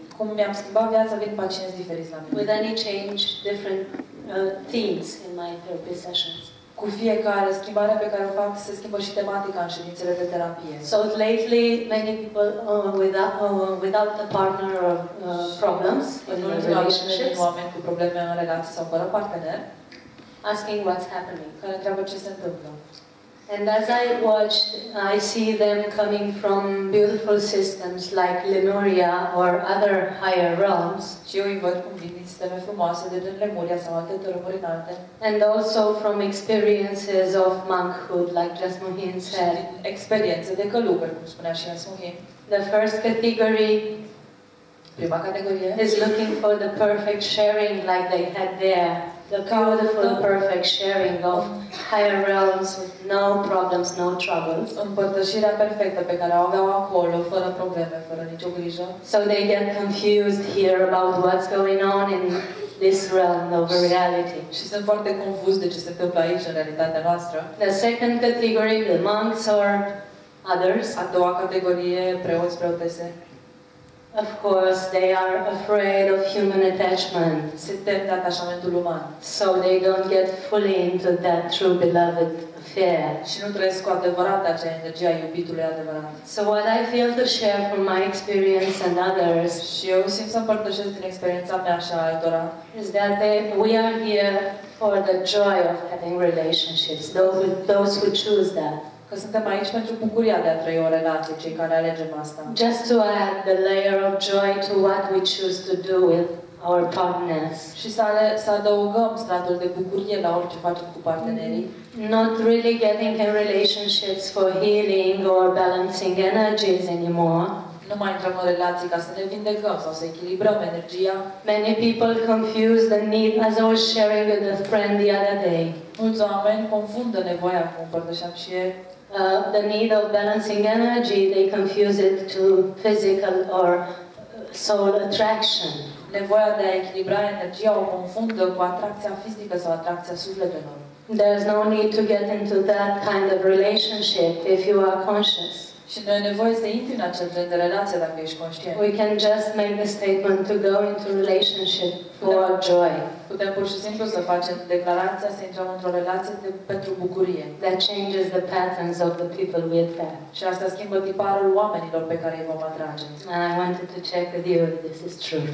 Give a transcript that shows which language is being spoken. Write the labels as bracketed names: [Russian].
[Romanian] Cum mi-am schimbat viața, vin pacienți diferiți la mine. [English] With any change, different themes in my therapy sessions. [Romanian] Cu fiecare schimbare pe care o fac, se schimbă și tematica în ședințele de terapie. [English] So lately, many people without a partner or problems in relationships. [Romanian] Oameni cu probleme în relații sau fără partener. [English] Asking what's happening. [Romanian] Care întreabă ce se întâmplă. [English] And as I watch, I see them coming from beautiful systems like Lemuria or other higher realms. [Romanian] Și eu îi văd cum vin sisteme frumoase de din Lemuria sau alte tărâmuri înalte. [English] And also from experiences of monkhood, like Jasmuheen said. [Romanian] Și experiențe de călugări, cum spunea și Jasmuheen. [English] The first category. [Romanian] Prima categorie. [English] Is looking for the perfect sharing like they had there. The beautiful, perfect sharing of higher realms with no problems, no troubles. [Romanian] Împărtășirea perfectă pe care o aveau acolo, fără probleme, fără nicio grijă. [English] So they get confused here about what's going on in this realm of reality. [Romanian] Și sunt foarte confuz de ce se întâmplă aici, în realitatea noastră. [English] The second category, the monks or others. [Romanian] A doua categorie, preoți, preotese. [English] Of course, they are afraid of human attachment. [Romanian] Se tem de atașamentul uman. [English] So they don't get fully into that true beloved affair. [Romanian] Și nu trăiesc cu adevărat acea energie a iubitului adevărat. [English] So what I feel to share from my experience and others. [Romanian] Și eu simt să împărtășesc din experiența mea și a altora. [English] Is that we are here for the joy of having relationships. Those who choose that. [Romanian] Că suntem aici pentru bucuria de a trăi o relație, cei care alegem asta. [English] Just to add the layer of joy to what we choose to do with our partners. [Romanian] Și să adăugăm stratul de bucurie la orice facem cu partenerii. [English] Not really getting in relationships for healing or balancing energies anymore. [Romanian] Nu mai intrăm în relații ca să ne vindecăm sau să echilibrăm energia. [English] Many people confuse the need, as I was sharing with a friend the other day. [Romanian] Mulți oameni confundă nevoia, cum împărtășeam și ei. [English] The need of balancing energy, they confuse it to physical or soul attraction. [Romanian] Nevoia de a echilibra energia o confundă cu atracția fizică sau atracția sufletelor. [English] There's no need to get into that kind of relationship if you are conscious. [Romanian] Și nu e nevoie să intri în acel gen de relație dacă ești conștient. [English] We can just make the statement to go into relationship for joy. [Romanian] Putem pur și simplu să facem declarația să intrăm într-o relație de, pentru bucurie. [English] That changes the patterns of the people we attract. [Romanian] Și asta schimbă tiparul oamenilor pe care îi vom atrage. [English] And I wanted to check with you if this is true.